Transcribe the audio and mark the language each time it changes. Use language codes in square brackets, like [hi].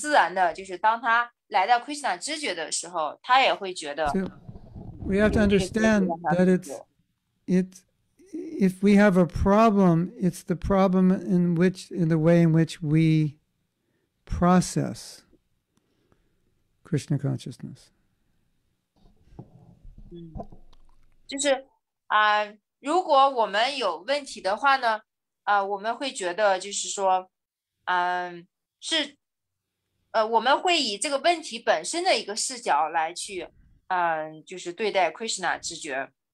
[zh] 所以呢，就是她曾经是属于这个基督徒的，不参加过他们的那个活动，所以很自然的，就是当她来到 Krishna 知觉的时候，她也会觉得。So [en] we have to understand that it's. If we have a problem, it's the problem in the way in which we process Krishna consciousness. [zh] 如果我们有问题的话呢，我们会觉得就是说，是，我们会以这个问题本身的一个视角来去，就是对待 Krishna 知觉。